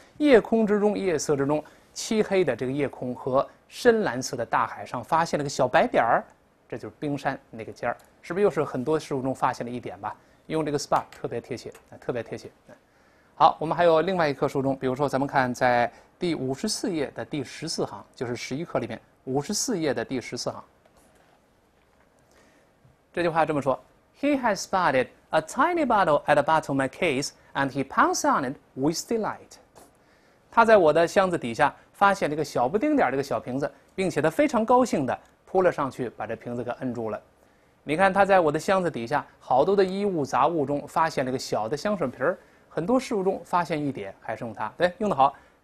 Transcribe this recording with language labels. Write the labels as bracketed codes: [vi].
[zh] 夜空之中，夜色之中，漆黑的这个夜空和深蓝色的大海上发现了个小白点儿，这就是冰山那个尖儿，是不是又是很多事物中发现了一点吧？用这个 spot 特别贴切，特别贴切。好，我们还有另外一课书中，比如说咱们看在第54页的第14行，就是11课里面54页的第14行，这句话这么说。 [en] He has spotted a tiny bottle at the bottom of my case, and he pounced on it with delight. [zh] 他在我的箱子底下发现了一个小不丁点的一个小瓶子，并且他非常高兴地扑了上去，把这瓶子给摁住了。你看，他在我的箱子底下好多的衣物杂物中发现了一个小的香水瓶儿，很多事物中发现一点，还是用它。对，用得好。